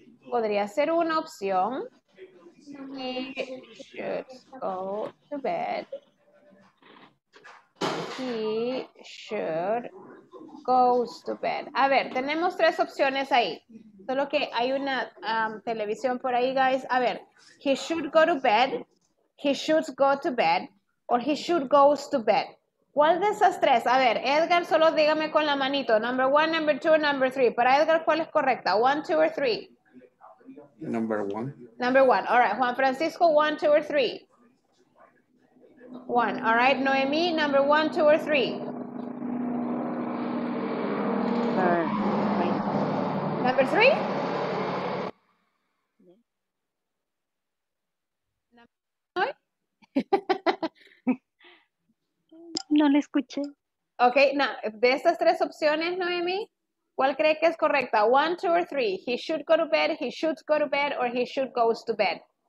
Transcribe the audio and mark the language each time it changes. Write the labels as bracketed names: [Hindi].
[Spanish] Podría ser una opción. [English] He should go to bed. He should go to bed. [Spanish] A ver, tenemos tres opciones ahí. Solo que hay una televisión por ahí, guys. A ver, [English] he should go to bed, he should go to bed, or he should go to bed. [Spanish] ¿Cuál de esas tres? A ver, Edgar, solo dígame con la manito. [English] Number one, number two, number three. [Spanish] Para Edgar, ¿cuál es correcta? [English] One, two, or three. Number one. Number one. All right. Juan Francisco, one, two, or three. One. All right. Noemi, number one, two, or three. Number three. Number [Spanish] three. No le escuché. [English] Okay. [Spanish] Now, de estas tres opciones, Noemi, ¿cuál cree que es correcta? [English] One, two, or three. He should go to bed, he should go to bed, or he should go to bed.